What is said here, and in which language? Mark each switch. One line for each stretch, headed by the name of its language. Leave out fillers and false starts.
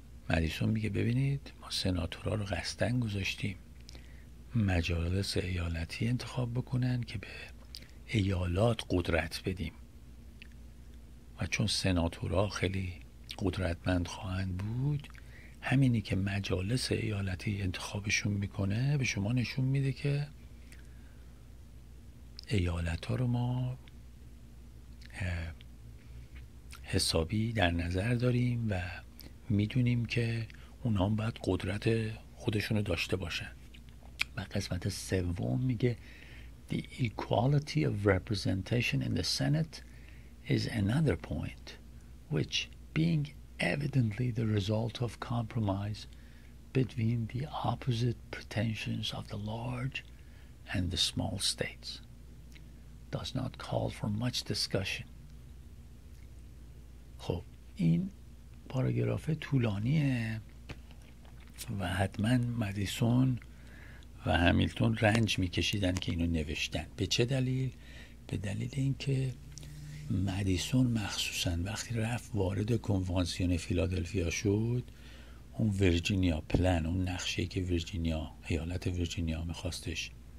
Persian: مدیسون میگه ببینید ما سناتورها رو قصدن گذاشتیم مجالس ایالتی انتخاب بکنن که به ایالات قدرت بدیم، و چون سناتورها خیلی قدرتمند خواهند بود، همینی که مجالس ایالتی انتخابشون میکنه به شما نشون میده که ایالت ها رو ما حسابی در نظر داریم و میدونیم که اونا هم باید قدرت خودشونو داشته باشن.
English: و قسمت سوم میگه The equality of representation in the Senate is another point which being evidently the result of compromise between the opposite pretensions of the large and the small states does not call for much discussion.
Persian: خب این پاراگراف طولانیه و حتما مدیسون و همیلتون رنج میکشیدن که اینو نوشتن. به چه دلیل؟ به دلیل اینکه مدیسون مخصوصا وقتی رفت وارد کنوانسیون فیلادلفیا شد، اون ویرجینیا پلن، اون نقشه‌ای که ویرجینیا، ایالت ویرجینیا میخواستش